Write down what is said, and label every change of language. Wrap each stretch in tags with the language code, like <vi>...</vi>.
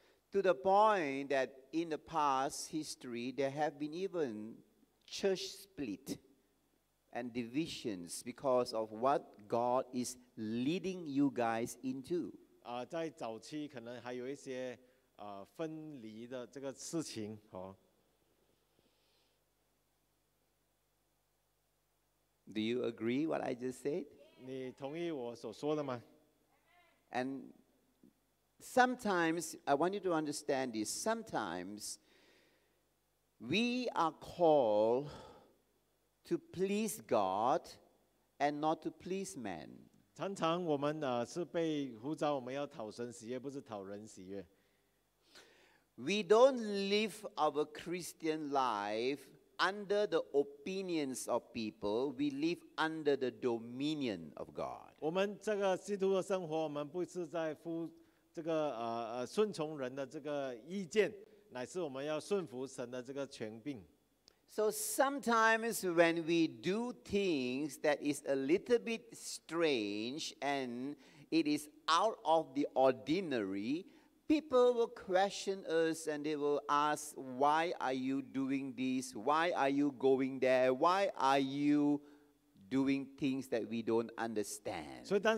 <en>To the point that in the past history, there have been even church split and divisions because of what God is leading you guys into.</en> <zh>在早期可能还有一些 分离的这个事情,</zh> <en>Do you agree what I just said?</en> <zh>你同意我所说的吗?</zh> <en>And sometimes, I want you to understand this, sometimes we are called to please God and not to please man.</en> <zh>常常我们, 是被呼召, 我们要讨神喜悦, 不是讨人喜悦。</zh> <en>We don't live our Christian life under the opinions of people. We live under the dominion of God.</en> <zh>我们这个基督的生活，我们不是在乎这个顺从人的这个意见，乃是我们要顺服神的这个权柄。</zh> <en>So sometimes when we do things that is a little bit strange and it is out of the ordinary, people will question us and they will ask, why are you doing this? Why are you going there? Why are you doing things that we don't understand?</en>